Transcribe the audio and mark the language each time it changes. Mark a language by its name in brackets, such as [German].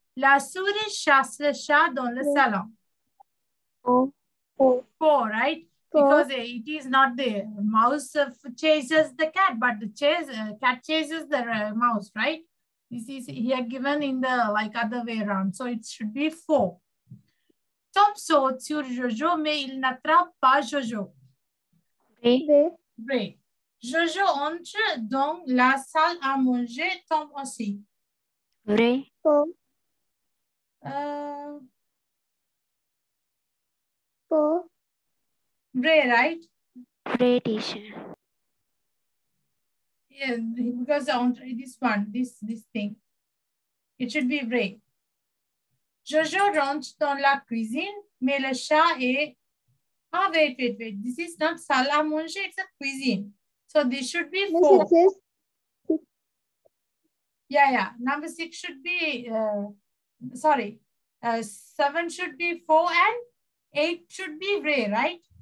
[French] La souris chasse le chat dans le salon. [English] Four, right? Four. Because it is not the mouse chases the cat, but the cat chases the mouse, right? This is here given in the like other way around. So it should be four. [French] Tom saute sur Jojo, mais il n'attrape pas Jojo. [English] Three. [French] Jojo entre dans la salle à manger, Tom aussi. [English] Three. Ray, right? Ray, teacher. Yeah, because on this one, this thing, it should be vrai. [French] Jojo rentre dans la cuisine, mais le chat est... [English] Oh, wait. This is not salle à manger, it's a cuisine. So this should be faux. Yeah. Number six should be... seven should be faux and eight should be vrai, right?